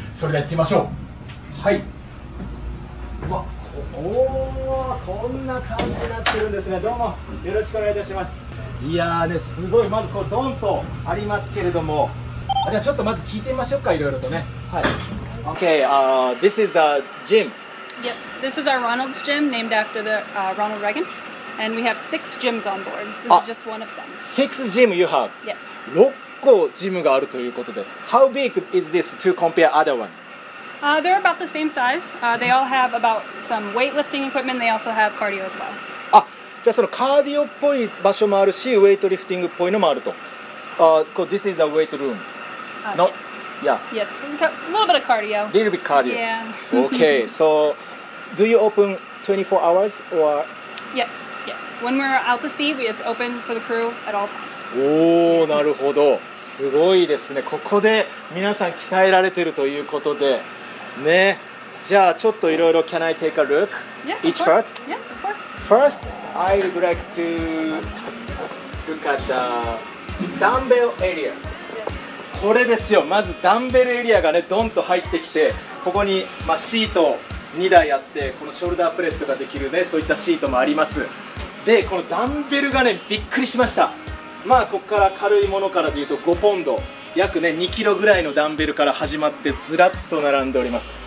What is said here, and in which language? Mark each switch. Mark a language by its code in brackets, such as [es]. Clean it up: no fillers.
[ja] それでは行ってみましょう。はい、おお、こんな感じになってるんですね。どうもよろしくお願いいたします。いやーね、すごい、まずこうドンとありますけれども、じゃあちょっとまず聞いてみましょうか、いろいろとね。はい、 [en] Okay, this is the gym. Yes, this is our Ronald's gym, named after the Ronald Reagan. And we have six gyms on board. This is just one of them. Six gym you have? Yes. [ja] 6個ジムがあるということで。 [en] How big is this to compare other one? They're about the same size. They all have about some weightlifting equipment. They also have cardio as well. [ja] あ、じゃあそのカーディオっぽい場所もあるし、ウェイトリフティングっぽいのもあると。 [en] This is a weight room. No. Yes. Yeah. Yes, a little bit of cardio. Little bit cardio. Yeah. Okay, so do you open 24 hours or? Yes, yes. When we're out to sea, it's open for the crew at all times. [ja] Oh, なるほど。すごいですね。ここで皆さん鍛えられてるということで、ね。じゃあちょっといろいろ、 [en] can I take a look? Yes, each part? Yes, of course. First, I would like to look at the dumbbell area. [ja] これですよ。まずダンベルエリアがね、ドンと入ってきて、ここに、まあ、シート2台あって、このショルダープレスとかできるね、そういったシートもあります。で、このダンベルがね、びっくりしました。まあここから軽いものからでいうと5ポンド約ね、2キロぐらいのダンベルから始まってずらっと並んでおります。